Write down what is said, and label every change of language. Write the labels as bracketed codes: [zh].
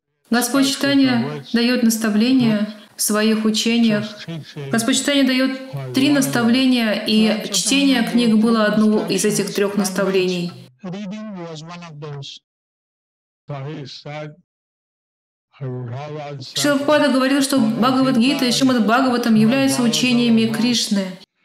[ru] Господь Чайтанья дает наставления в своих учениях. Господь Чайтанья дает три наставления, и чтение книг было одно из этих трех наставлений. [en] Reading was one of those. [ru] Шрила Прабхупада говорил, что Бхагавад-гита и Шримад Бхагаватам являются учениями Кришны.